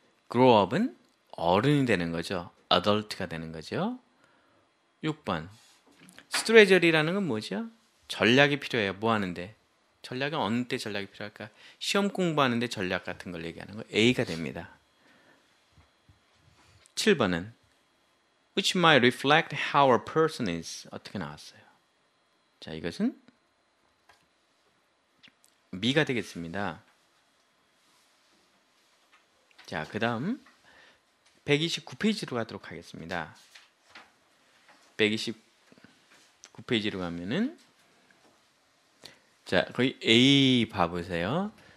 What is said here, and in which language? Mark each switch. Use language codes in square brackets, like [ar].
[ko] Grow up은 어른이 되는 거죠. Adult가 되는 거죠. 6번. Strategy라는 건 뭐죠? 전략이 필요해요. 뭐 하는데? 전략은 어느 때 전략이 필요할까? 시험 공부하는데 전략 같은 걸 얘기하는 거 A가 됩니다. 7번은 [en] Which might reflect how a person is. [ko] 어떻게 나왔어요? 자, 이것은 B가 되겠습니다. 자, 그 다음 129페이지로 가도록 하겠습니다. 129페이지로 가면은 자, 거기 A 봐보세요.